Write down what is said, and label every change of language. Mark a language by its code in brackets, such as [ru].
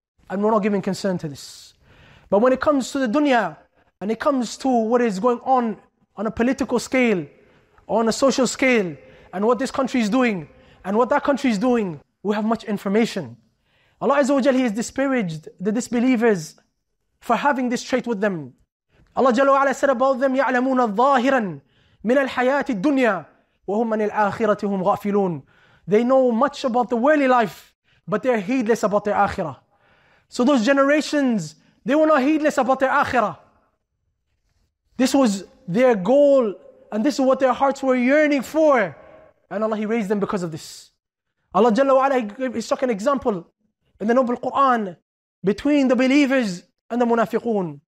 [en] And we're not giving concern to this. But when it comes to the dunya and it comes to what is going on a political scale, on a social scale, and what this country is doing and what that country is doing, we have much information. Allah Azza wa Jalla, He has disparaged the disbelievers for having this trait with them. Allah Jalla wa Ala said about them, [ar] يَعْلَمُونَ الظَّاهِرًا مِنَ الْحَيَاةِ الدُّنْيَا وَهُمْ مَنِ الْآخِرَةِ هُمْ غَافِلُونَ. [en] They know much about the worldly life, but they are heedless about their akhirah. So those generations, they were not heedless about their akhirah. This was their goal, and this is what their hearts were yearning for. And Allah, He raised them because of this. Allah Jalla wa Ala, He struck an example in the Noble Quran between the believers and the munafiqoon.